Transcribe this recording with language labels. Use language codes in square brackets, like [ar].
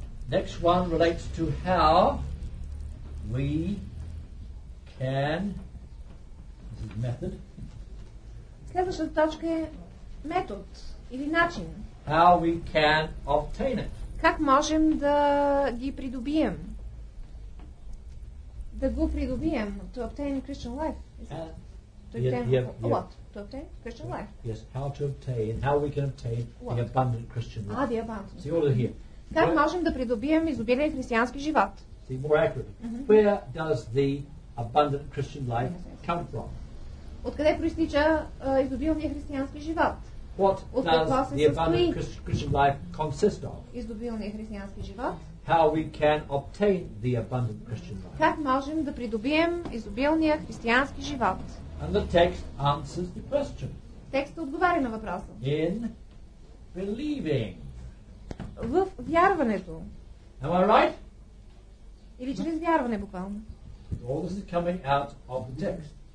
[en] Next one relates to how we can, this is method. [bg] Следващата точка е метод или начин. [en] How we can obtain it. [bg] Как можем да ги придобием? Да го придобием? [en] To obtain Christian life. To obtain Christian life. Yes, how to obtain, how we can obtain what? The abundant Christian life. Ah, the abundant. See, all are here. [bg] Как можем да придобием изобилен християнски живот? [en] See, more accurately. Mm-hmm. Where does the abundant Christian life come from? [bg] Откъде проистича изобилния християнски живот? [en] What does the abundant Christian life consist of? [bg] Изобилния християнски живот. [en] How we can obtain the abundant Christian life? [bg] Как можем да придобием изобилния християнски живот? [en] And the text answers the question. [bg] Текстът отговаря на въпроса. [en] In believing. [bg] В вярването. [en] Am I right? [bg] Или чрез вярване буквално. [en] All this is coming out of the text.